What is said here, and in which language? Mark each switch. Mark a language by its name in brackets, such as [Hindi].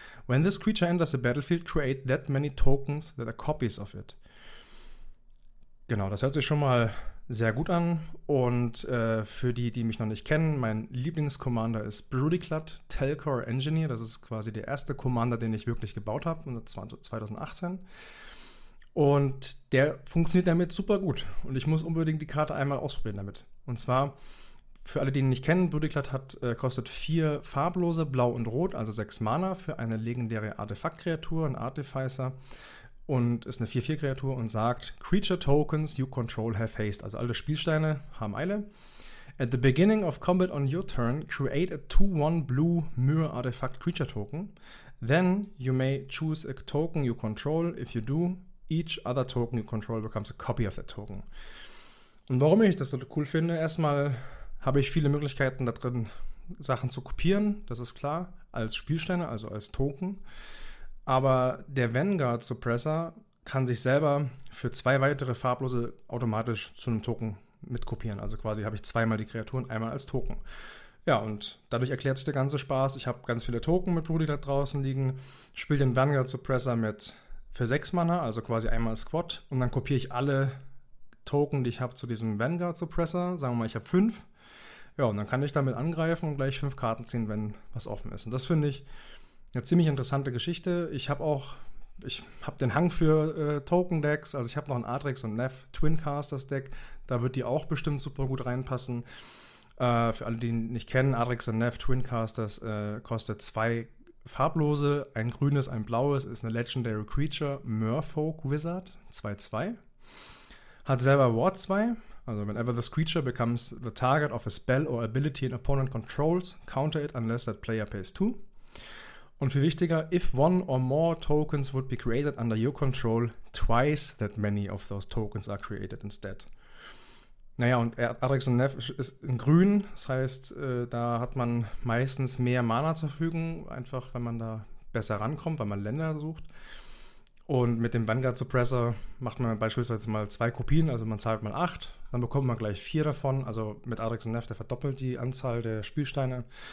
[English] When this creature enters the battlefield, create that many tokens that are copies of it. [German] Genau, das hört sich schon mal sehr gut an. Und für die, die mich noch nicht kennen, mein Lieblingscommander ist Broodyclad, Telcor Engineer. Das ist quasi der erste Commander, den ich wirklich gebaut habe, 2018. Und der funktioniert damit super gut. Und ich muss unbedingt die Karte einmal ausprobieren damit. Und zwar, für alle, die ihn nicht kennen, Broodyclad kostet 4 farblose, blau und rot, also 6 Mana für eine legendäre Artefaktkreatur, ein Artificer. Und ist eine 4-4-Kreatur und sagt, [English] Creature Tokens you control have haste. [German] Also alle Spielsteine haben Eile. [English] At the beginning of combat on your turn, create a 2-1 blue Mirror Artifact Creature Token. Then you may choose a token you control. If you do, each other token you control becomes a copy of that token. [German] Und warum ich das so cool finde, erstmal habe ich viele Möglichkeiten da drin, Sachen zu kopieren, das ist klar, als Spielsteine, also als Token. Aber der Vanguard Suppressor kann sich selber für 2 weitere farblose automatisch zu einem Token mitkopieren. Also quasi habe ich 2-mal die Kreaturen, 1-mal als Token. Ja, und dadurch erklärt sich der ganze Spaß. Ich habe ganz viele Token mit Broodyclad da draußen liegen, spiele den Vanguard Suppressor mit für 6 Mana, also quasi 1-mal Squad. Und dann kopiere ich alle Token, die ich habe, zu diesem Vanguard Suppressor. Sagen wir mal, ich habe 5. Ja, und dann kann ich damit angreifen und gleich 5 Karten ziehen, wenn was offen ist. Und das finde ich eine ziemlich interessante Geschichte. Ich habe auch Ich habe den Hang für Token-Decks. Also ich habe noch ein Atrix und Neff Twincasters Deck. Da wird die auch bestimmt super gut reinpassen. Für alle, die ihn nicht kennen, Atrix und Neff Twincasters kostet 2 farblose, ein grünes, ein blaues, ist eine Legendary Creature, Merfolk Wizard, 2-2. Hat selber Ward 2, also [English] whenever this creature becomes the target of a spell or ability an opponent controls, counter it unless that player pays 2. [German] Und viel wichtiger, [English] if one or more tokens would be created under your control, twice that many of those tokens are created instead. [German] Naja, und Atrix und Neff ist in grün, das heißt, da hat man meistens mehr Mana zur Verfügung, einfach wenn man da besser rankommt, weil man Länder sucht. Und mit dem Vanguard Suppressor macht man beispielsweise mal 2 Kopien, also man zahlt mal 8, dann bekommt man gleich 4 davon, also mit Atrix und Neff, der verdoppelt die Anzahl der Spielsteine.